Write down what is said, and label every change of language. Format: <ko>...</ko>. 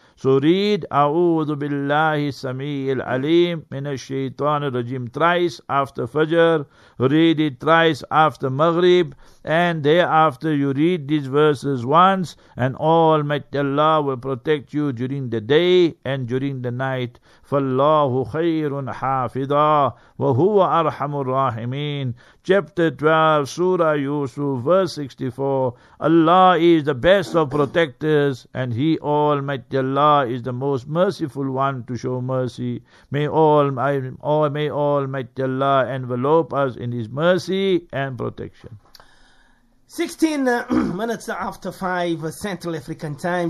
<en>So read,</en> <ar>A'udhu billahi sami'il alim minash shaitanir rajim</ar> <en>thrice after Fajr, read it thrice after Maghrib, and thereafter you read these verses once, and Almighty Allah will protect you during the day and during the night.</en> <ar>فَاللَّهُ خَيْرٌ حَافِظًا وَهُوَ أَرْحَمُ الرَّاحِمِينَ</ar> <en>Chapter 12, Surah Yusuf, verse 64. Allah is the best of protectors, and He, Almighty Allah, is the most merciful one to show mercy. May Almighty Allah envelope us in His mercy and protection. 16 minutes after 5 Central African time.</en>